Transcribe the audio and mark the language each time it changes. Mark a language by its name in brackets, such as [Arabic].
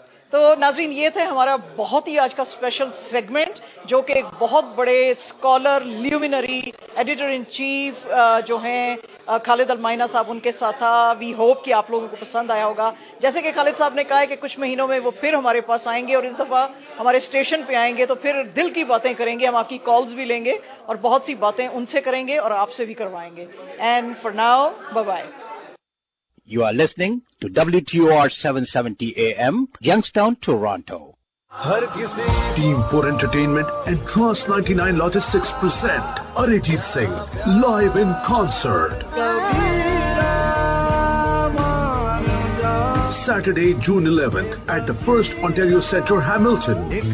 [Urdu] تو ناظرین یہ تھے ہمارا بہت ہی آج کا اسپیشل سیگمنٹ جو کہ ایک بہت بڑے اسکالر, لیومینری, ایڈیٹر ان چیف جو ہیں خالد المائنہ صاحب, ان کے ساتھ تھا. [English] we hope [Urdu] کہ آپ لوگوں کو پسند آیا ہوگا. جیسے کہ خالد صاحب نے کہا ہے کہ کچھ مہینوں میں وہ پھر ہمارے پاس آئیں گے اور اس دفعہ ہمارے اسٹیشن پہ آئیں گے تو پھر دل کی باتیں کریں گے. ہم آپ کی کالز بھی لیں گے اور بہت سی باتیں ان سے کریں گے اور آپ سے بھی کروائیں گے. [English] And for now bye bye. You are listening to WTOR 770 AM, Youngstown, Toronto. हर किसी team for entertainment and trust 99 logistics present Arijit Singh live in concert Saturday, June 11th at the First Ontario Centre, Hamilton.